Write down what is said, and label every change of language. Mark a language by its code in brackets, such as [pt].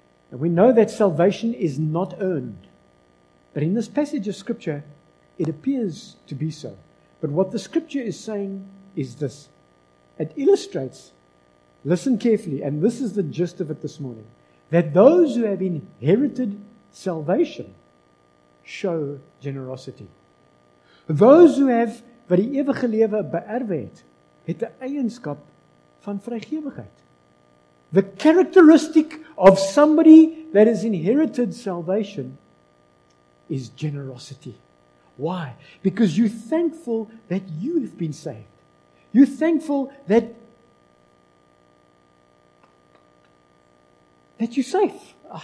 [en] And we know that salvation is not earned. But in this passage of scripture, it appears to be so. But what the scripture is saying is this. It illustrates, listen carefully, and this is the gist of it this morning, that those who have inherited salvation show generosity. Those who have, [af] wat die ewige lewe beerwe het, het die eienskap van vrygewigheid. [en] The characteristic of somebody that has inherited salvation is generosity. Why? Because you're thankful that you have been saved. You're thankful that you're safe.